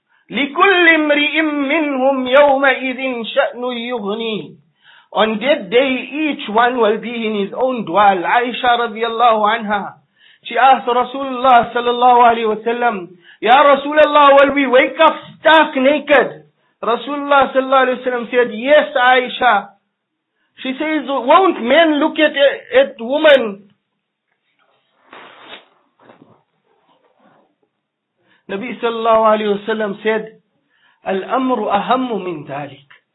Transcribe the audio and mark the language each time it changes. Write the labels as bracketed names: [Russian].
[Arabic] لكل امرئ منهم يومئذ شأن يغني. [English] On that day, each one will be in his own dwell. Aisha رضي الله عنها. She asked [Arabic] رسول الله صلى الله عليه وسلم, يا رسول الله, [English] will we wake up stark naked? Rasulullah sallallahu alayhi wa sallam said, yes, Aisha. She says, won't men look at women? Nabi sallallahu alayhi wa sallam said, [Arabic] al-amru ahammu min dhalik.